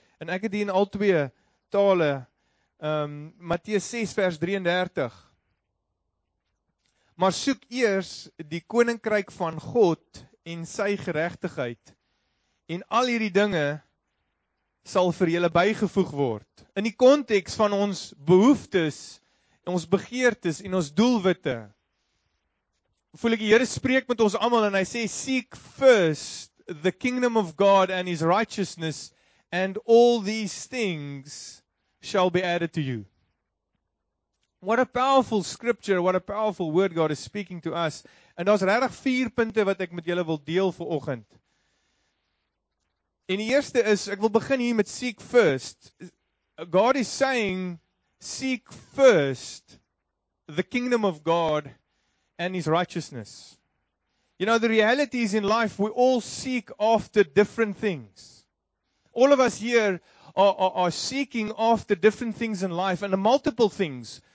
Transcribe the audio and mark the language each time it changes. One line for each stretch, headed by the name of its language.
Afrikaans: En ek het dit in al twee tale. Matteus 6 vers 33. Maar soek eers die koninkryk van God en sy geregtigheid en al hierdie dinge sal vir julle bygevoeg word. In die konteks van ons behoeftes, ons begeertes en ons doelwitte, voel ek die Here spreek met ons almal en hy sê,
English: seek first the kingdom of God and his righteousness and all these things shall be added to you. What a powerful scripture, what a powerful word God is speaking to us.
Afrikaans: En daar's regtig 4 punte wat ek met julle wil deel vanoggend. En die eerste is, ek wil begin hier met
English: seek first. God is saying, seek first the kingdom of God and his righteousness. You know, the reality is in life, we all seek after different things. All of us here are seeking after different things in life and multiple things.